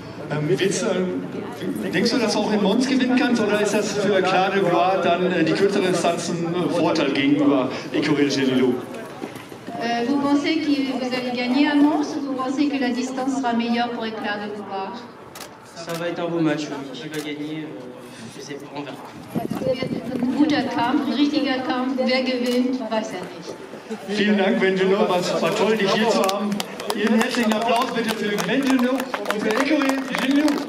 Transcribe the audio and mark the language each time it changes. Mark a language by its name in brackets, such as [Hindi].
[German] Denkst du, dass du auch in Mons gewinnen kannst, oder ist das für Éclat de Gloire dann die kürzeren Distanzen Vorteil gegenüber Écureuil Genilou? [French] Vous pensez que vous allez gagner à Mons ou vous pensez que la distance sera meilleure pour Éclat de Gloire? Ça va être un beau match, oui. Qui va gagner, je ne sais pas, on verra. [German] Guter Kampf, richtiger Kampf, wer gewinnt, weiß er nicht. Vielen Dank, Benjamin, es war toll, dich hier zu haben. Ihren herzlichen Applaus bitte für Benjamin und für Écureuil Genilou.